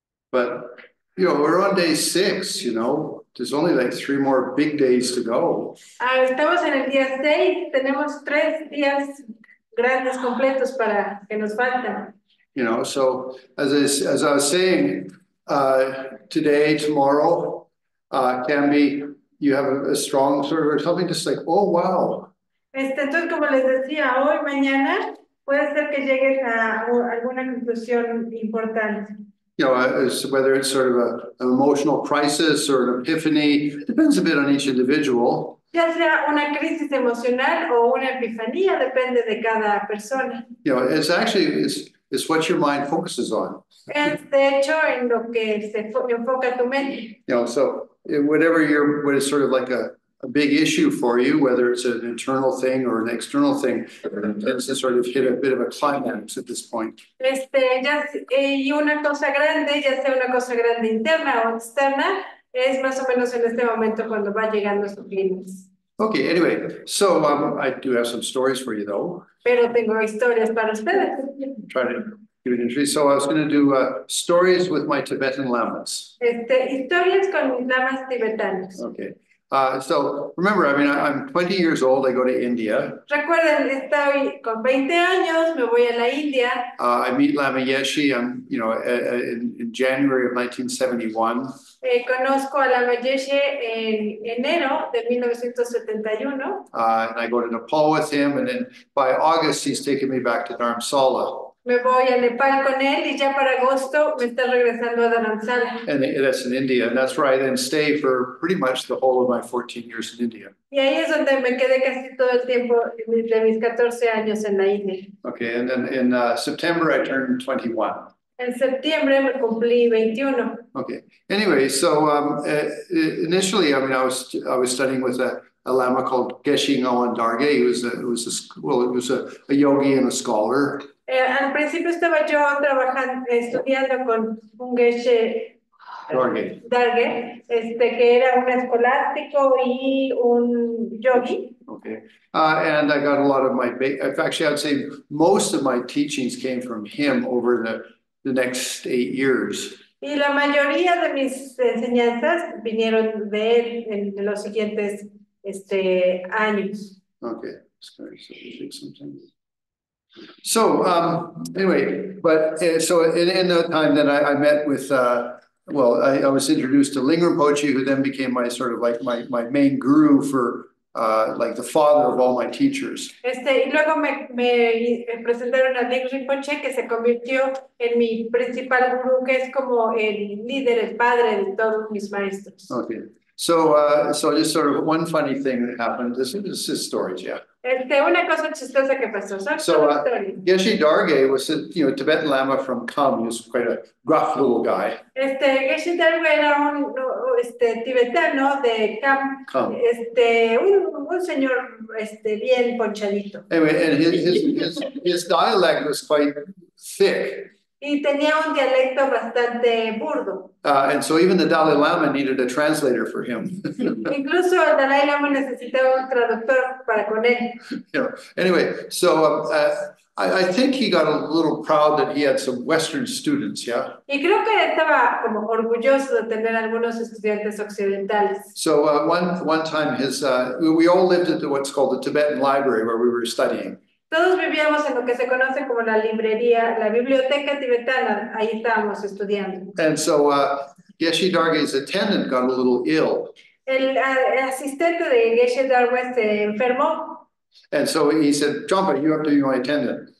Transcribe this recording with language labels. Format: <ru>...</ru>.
<en>But, you know, we're on day six, you know. There's only like three more big days to go.</en> <es>Estamos en el día seis. Tenemos tres días grandes completos para que nos faltan.</es> <en>You know, so as I was saying, today, tomorrow, can be... You have a strong sort of something, just like, oh wow.</en> <es>Entonces, como les decía, hoy mañana puede ser que llegues a alguna conclusión importante.</es> <en>You know, whether it's sort of an emotional crisis or an epiphany, depends a bit on each individual.</en> <es>Ya sea una crisis emocional o una epifanía, depende de cada persona.</es> <en>You know, it's what your mind focuses on.</en> <es>Es de hecho en lo que se enfoca tu mente.</es> <en>You know, so. What is sort of like a big issue for you, whether it's an internal thing or an external thing, tends to sort of hit a bit of a climax at this point.</en> <es>Y una cosa grande, ya sea una cosa grande interna o externa, es más o menos en este momento cuando va llegando su clímax.</es> <en>Okay, anyway, so I do have some stories for you, though.</en> <es>Pero tengo historias para ustedes.</es> <en>Try to... So I was going to do stories with my Tibetan Lamas.</en> <es>Historias con lamas tibetanos.</es> <en>Okay. So remember, I mean, I'm 20 years old. I go to India.</en> <es>Recuerden, estoy con 20 años. Me voy a la India.</es> <en>I meet Lama Yeshe. In January of 1971.</en> <es>Conozco a Lama Yeshe en enero de 1971.</es> <en>And I go to Nepal with him, and then by August he's taking me back to Dharamsala.</en> <es>Me voy a Nepal con él y ya para agosto me está regresando a Dharamsala.</es> <en>And that's in India, and that's where I then stay for pretty much the whole of my 14 years in India.</en> <es>Y ahí es donde me quedé casi todo el tiempo de mis 14 años en la India.</es> <en>Okay, and then in September I turned 21.</en> <es>En septiembre me cumplí 21.</es> <en>Okay, anyway, so initially, I mean, I was studying with a lama called Geshe Ngawan Darge. He was a yogi and a scholar.</en> <es>Al principio estaba yo estudiando con un Geshe Darge, que era un escolástico y un yogi.</es> <en>Okay. And I got a lot of my, actually I'd say most of my teachings came from him over the next 8 years.</en> <es>Y la mayoría de mis enseñanzas vinieron de él en los siguientes años.</es> <en>Okay. Sorry, so we take some time. So, in that time, then I met with, I was introduced to Lingam Pochi, who then became my sort of like my main guru for, like the father of all my teachers.</en> <es>Y luego me presentaron a Lingam Pochi, que se convirtió en mi principal guru, que es como el líder, el padre de todos mis maestros. Okay.</es> <en>So, just sort of one funny thing that happened. This is stories, yeah.</en> <es>Una cosa chistosa que pasó.</es> <en>Geshe Darge was a Tibetan Lama from Kham. He was quite a gruff little guy.</en> <es>Geshe Darge era un tibetano de Kham. Kham. Un señor bien ponchadito.</es> <en>Anyway, and his dialect was quite thick.</en> <es>Y tenía un dialecto bastante burdo.</es> <en>And so even the Dalai Lama needed a translator for him.</en> <es>Incluso el Dalai Lama necesitaba un traductor para con él.</es> <en>Anyway, so I think he got a little proud that he had some Western students, yeah?</en> <es>Y creo que estaba como orgulloso de tener algunos estudiantes occidentales.</es> <en>So one time we all lived at what's called the Tibetan Library where we were studying.</en> <es>Todos vivíamos en lo que se conoce como la librería, la biblioteca tibetana. Ahí estábamos estudiando.</es> <en>And so Geshe Darge's attendant got a little ill.</en> <es>El asistente de Geshe Darge se enfermó.</es> <en>And so he said, Jampa, you have to be my attendant.</en>